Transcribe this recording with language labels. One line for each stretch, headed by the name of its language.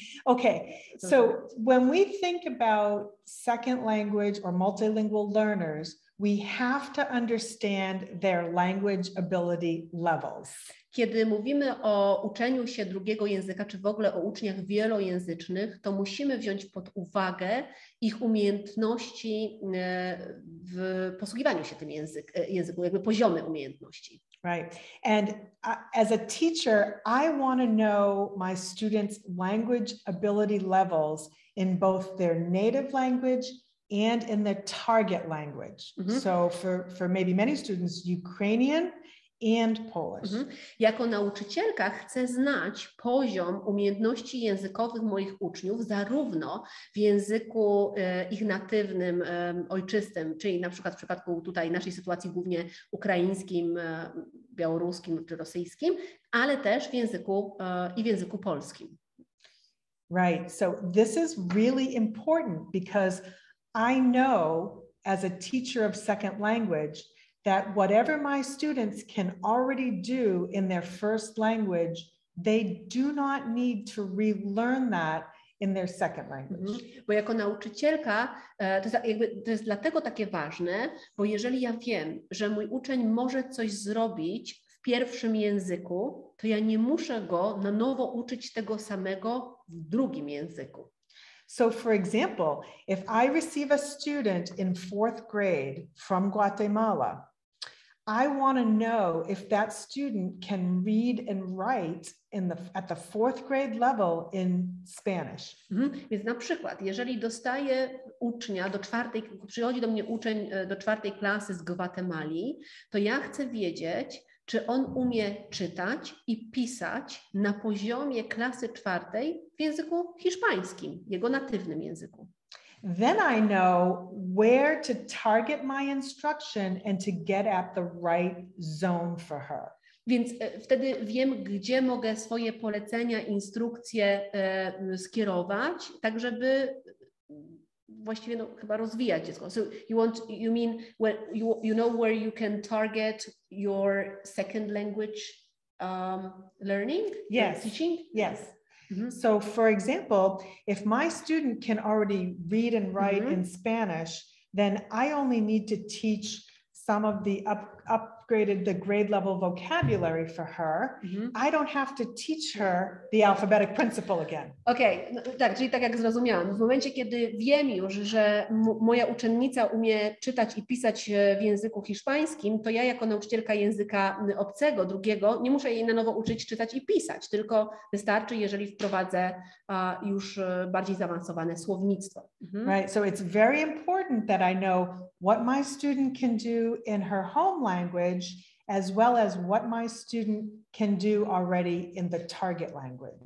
English: Okay, so when we think about second language or multilingual learners, we have to understand their language ability levels.
Polish: Kiedy mówimy o uczeniu się drugiego języka, czy w ogóle o uczniach wielojęzycznych, to musimy wziąć pod uwagę ich umiejętności w posługiwaniu się tym językiem, jakby poziomy umiejętności.
English: Right. And as a teacher, I want to know my students' language ability levels in both their native language and in their target language. Mm-hmm. So for maybe many students, Ukrainian and Polish. Mm-hmm.
Polish: Jako nauczycielka chcę znać poziom umiejętności językowych moich uczniów zarówno w języku ich natywnym, ojczystym, czyli na przykład w przypadku tutaj naszej sytuacji głównie ukraińskim, białoruskim czy rosyjskim, ale też w języku i w języku polskim.
English: Right. So this is really important because I know as a teacher of second language that whatever my students can already do in their first language, they do not need to relearn that in their second language. Mm-hmm.
Polish: Bo jako nauczycielka, to jest dlatego takie ważne, bo jeżeli ja wiem, że mój uczeń może coś zrobić w pierwszym języku, to ja nie muszę go na nowo uczyć tego samego w drugim języku.
English: So for example, if I receive a student in fourth grade from Guatemala, I want to know if that student can read and write at the fourth grade level in Spanish. Mm-hmm.
Polish: Więc na przykład, jeżeli dostaję ucznia do czwartej, przychodzi do mnie uczeń do czwartej klasy z Gwatemali, to ja chcę wiedzieć, czy on umie czytać i pisać na poziomie klasy czwartej w języku hiszpańskim, jego natywnym języku.
English: Then I know where to target my instruction and to get at the right zone for her.
Polish: Więc wtedy wiem, gdzie mogę swoje polecenia, instrukcje skierować, tak żeby właściwie chyba rozwijać dziecko.
English: So you mean where you know where you can target your second language learning? Yes. Teaching? Yes. Mm-hmm. So for example, if my student can already read and write mm-hmm. in Spanish, then I only need to teach some of the upgraded the grade level vocabulary for her, mm-hmm. I don't have to teach her the alphabetic principle again.
Polish: Okay, no, tak, czyli tak jak zrozumiałam, w momencie, kiedy wiem już, że moja uczennica umie czytać i pisać w języku hiszpańskim, to ja jako nauczycielka języka obcego, drugiego, nie muszę jej na nowo uczyć czytać i pisać, tylko wystarczy, jeżeli wprowadzę już bardziej zaawansowane słownictwo. Mm-hmm.
English: Right, so it's very important that I know what my student can do in her home language, as well as what my student can do already in the target language.